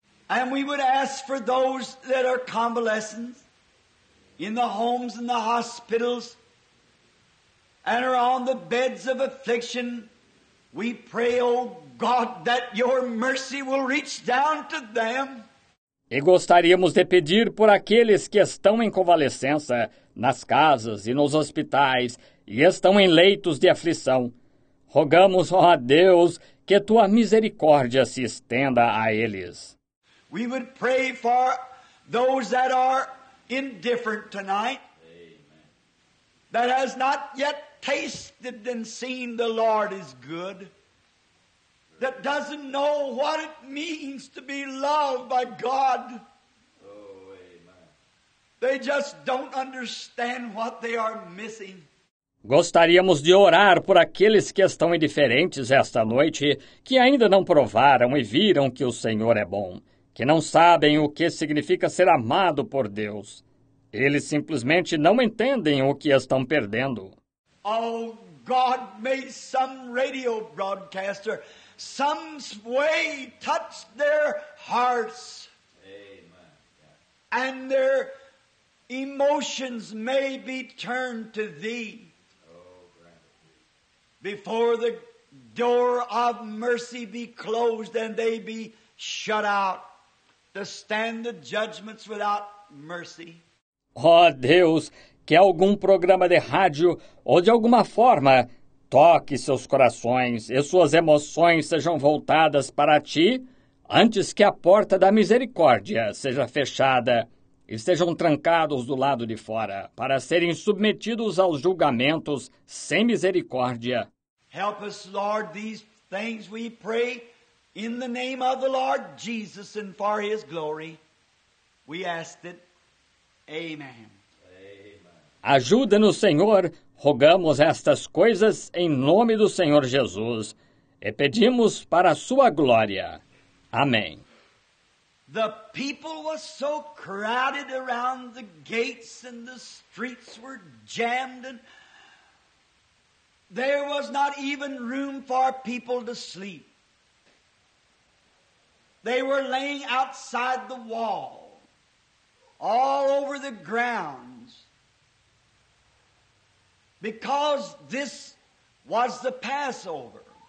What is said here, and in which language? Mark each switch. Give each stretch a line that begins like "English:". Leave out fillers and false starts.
English: And we would ask for those that are convalescents in the homes and the hospitals and are on the beds of affliction. We pray, O God, that your mercy will reach down to them.
Portuguese: E gostaríamos de pedir por aqueles que estão em convalescença nas casas e nos hospitais e estão em leitos de aflição. Rogamos, ó Deus, que tua misericórdia se estenda a eles.
English: We would pray for those that are indifferent tonight. Amen. That has not yet tasted and seen the Lord is good. That doesn't know what it means to be loved by God. Oh, amen. They just don't understand what they are missing.
Portuguese: Gostaríamos de orar por aqueles que estão indiferentes esta noite, que ainda não provaram e viram que o Senhor é bom, que não sabem o que significa ser amado por Deus. Eles simplesmente não entendem o que estão perdendo.
English: Oh, God, may some radio broadcaster, some way touch their hearts. Amen. And their emotions may be turned to Thee. Before the door of mercy be closed and they be shut out to stand the judgments without mercy.
Portuguese: Oh, Deus, que algum programa de rádio ou de alguma forma toque seus corações e suas emoções sejam voltadas para Ti antes que a porta da misericórdia seja fechada e sejam trancados do lado de fora para serem submetidos aos julgamentos sem misericórdia.
English: Help us, Lord, these things we pray in the name of the Lord Jesus and for His glory. We ask it. Amen. Amen.
Portuguese: Ajuda-nos, Senhor, rogamos estas coisas em nome do Senhor Jesus e pedimos para a Sua glória. Amém.
English: The people were so crowded around the gates and the streets were jammed and there was not even room for people to sleep. They were laying outside the wall, all over the grounds, because this was the Passover.